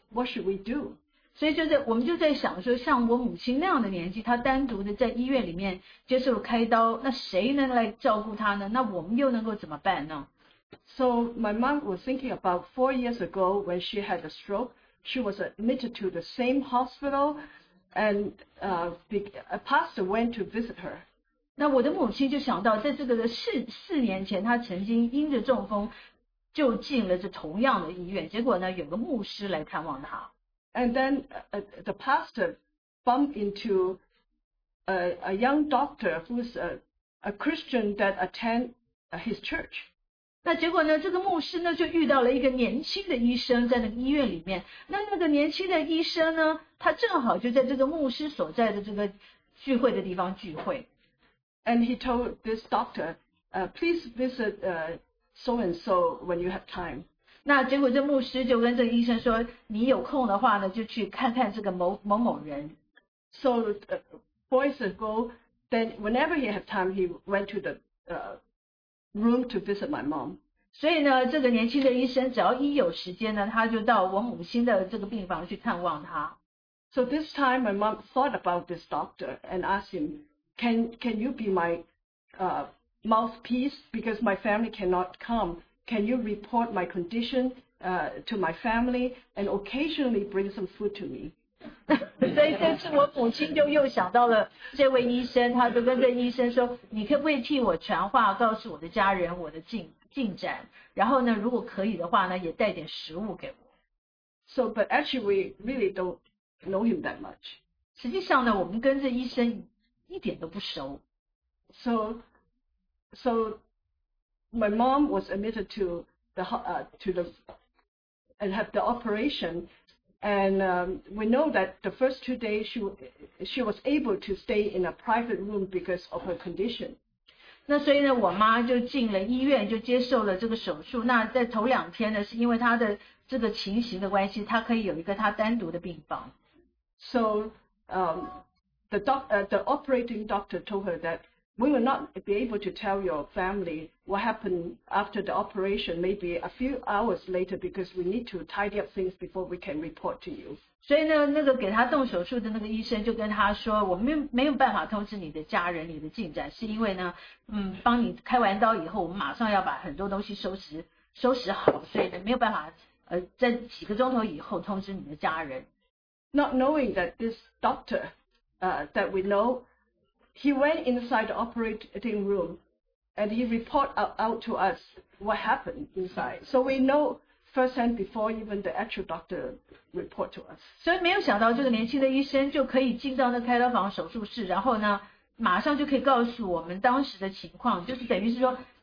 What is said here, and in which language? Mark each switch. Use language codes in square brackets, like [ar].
[en] What should we do? [zh] 所以就在我们就在想说，像我母亲那样的年纪，她单独的在医院里面接受开刀，那谁能来照顾她呢？那我们又能够怎么办呢？ [en] So my mom was thinking about 4 years ago when she had a stroke. She was admitted to the same hospital, and a pastor went to visit her. [zh] 那我的母亲就想到，在这个四年前，她曾经因着中风。就进了这同样的医院，结果呢，有个牧师来看望他。 [en] And then the pastor bumped into a young doctor who's a Christian that attend his church. [zh] 那结果呢，这个牧师呢就遇到了一个年轻的医生在那个医院里面。那个年轻的医生呢，他正好就在这个牧师所在的这个聚会的地方聚会。 [en] And he told this doctor, please visit So and so, when you have time. [zh] 那结果这牧师就跟这个医生说，你有空的话呢，就去看看这个某某人。 [en] So, boys ago, then whenever he had time, he went to the room to visit my mom. [zh] 所以呢，这个年轻的医生只要一有时间呢，他就到我母亲的这个病房去探望她。 [en] So this time, my mom thought about this doctor and asked him, "Can you be my mouthpiece, because my family cannot come. Can you report my condition to my family and occasionally bring some food to me?" [zh] 所以这次我母亲就又想到了这位医生，她就跟这医生说：“你可不可以替我传话，告诉我的家人我的进展？然后呢，如果可以的话呢，也带点食物给我。” [en] So, but actually, we really don't know him that much. [zh] 实际上呢，我们跟这医生一点都不熟。 [en] So my mom was admitted to have the operation, and we know that the first 2 days she was able to stay in a private room because of her condition. [zh] 那所以呢，我妈就进了医院，就接受了这个手术。那在头两天呢，是因为她的这个情形的关系，她可以有一个她单独的病房。 [en] So the operating doctor told her that. We will not be able to tell your family what happened after the operation, maybe a few hours later, because we need to tidy up things before we can report to you. [zh] 所以呢，那个给他动手术的那个医生就跟他说，我们没有办法通知你的家人你的进展，是因为呢，帮你开完刀以后，我们马上要把很多东西收拾好，所以没有办法在几个钟头以后通知你的家人。 [en] Not knowing that this doctor, that we know. He went inside the operating room, and he reported out to us what happened inside. So we know firsthand before even the actual doctor report to us. [zh] 所以没有想到这个年轻的医生就可以进到那开刀房手术室，然后呢，马上就可以告诉我们当时的情况，就是等于是说